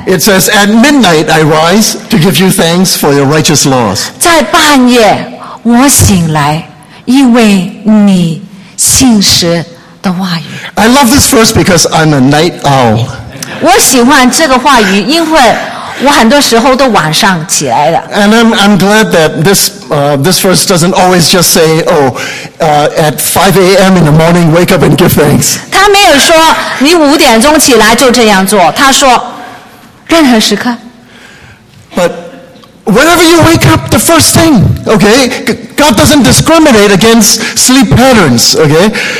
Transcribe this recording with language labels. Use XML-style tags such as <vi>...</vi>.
<en>It says, At midnight I rise to give you thanks for your righteous laws.</en> <zh>在半夜我醒来因为你信实的话语</zh> <en>I love this verse because I'm a night owl.</en> <zh>我喜欢这个话语因为我很多时候都晚上起来的。</zh> <en>And I'm glad that this verse doesn't always just say, oh, at 5 a.m. in the morning, wake up and give thanks.</en> <zh>他没有说你五点钟起来就这样做，他说任何时刻。</zh> <en>But whenever you wake up, the first thing, okay, God doesn't discriminate against sleep patterns, okay?</en>